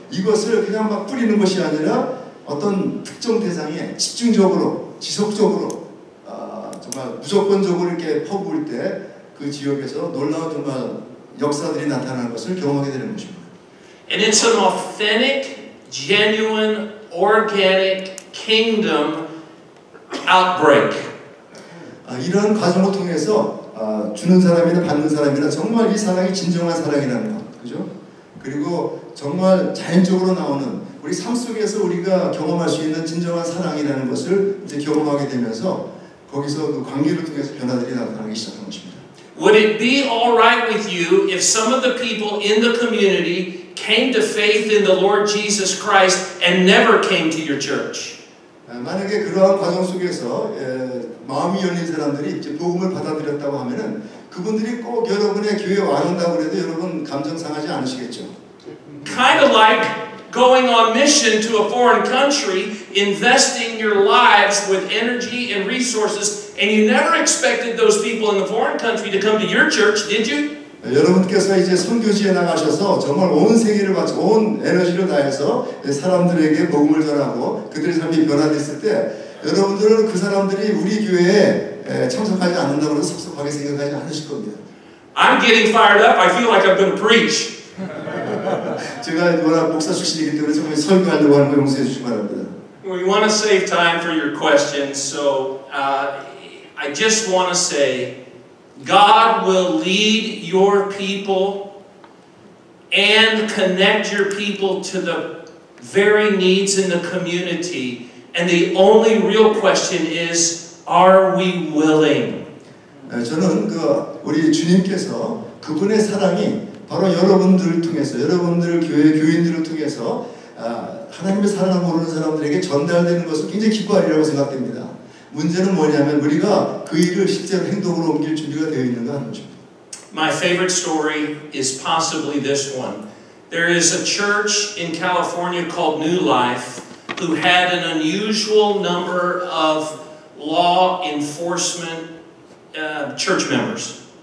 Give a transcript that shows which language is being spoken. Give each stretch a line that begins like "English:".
Korean: 이것을 그냥 막 뿌리는 것이 아니라 어떤 특정 대상에 집중적으로 지속적으로 정말 무조건적으로 이렇게 퍼부을 때 그 지역에서 놀라운 정말 역사들이 나타나는 것을 경험하게 되는 것입니다.
English: And it's an authentic, genuine, organic kingdom outbreak.
Korean: 이런 과정을 통해서 주는 사람이나 받는 사람이나 정말 이 사랑이 진정한 사랑이라는 것, 그죠? 그리고 정말 자연적으로 나오는 우리 삶 속에서 우리가 경험할 수 있는 진정한 사랑이라는 것을 이제 경험하게 되면서 거기서 그 관계를 통해서 변화들이 나타나기 시작한 것입니다.
English: Would it be all right with you if some of the people in the community came to faith in the Lord Jesus Christ and never came to your church?
Korean: 만약에 그러한 과정 속에서 마음이 열린 사람들이 이제 복음을 받아들였다고 하면은 그분들이 꼭 여러분의 교회에 와준다고 해도 여러분 감정 상하지 않으시겠죠?
English: Kind of like going on mission to a foreign country, investing your lives with energy and resources, and you never expected those people in the foreign country to come to your church, did you?
Korean: 여러분께서 이제 선교지에 나가셔서 정말 온 세계를 바쳐 온 에너지를 다해서 사람들에게 복음을 전하고 그들의 삶이 변화됐을 때. 여러분들은 그 사람들이 우리 교회에 참석하지 않는다고 해서 섭섭하게 생각하지 않으실 겁니다.
English: I'm getting fired up. I feel like I'm going to preach.
Korean: 제가 워낙 목사 출신이기 때문에 정말 설교하려고 하는 걸 용서해 주시기 바랍니다.
English: We want to save time for your questions, so I just want to say God will lead your people and connect your people to the very needs in the community. And the only real question is, are we willing?
Korean: 저는 그 우리 주님께서 그분의 사랑이 바로 여러분들을 통해서 여러분들 교회 교인들을 통해서 하나님의 사랑을 모르는 사람들에게 전달되는 것을 굉장히 기뻐하리라고 생각됩니다. 문제는 뭐냐면 우리가 그 일을 실제로 행동으로 옮길 준비가 되어 있는가 하는 것입니다.
English: My favorite story is possibly this one. There is a church in California called New Life. Who had an unusual number of law enforcement church members.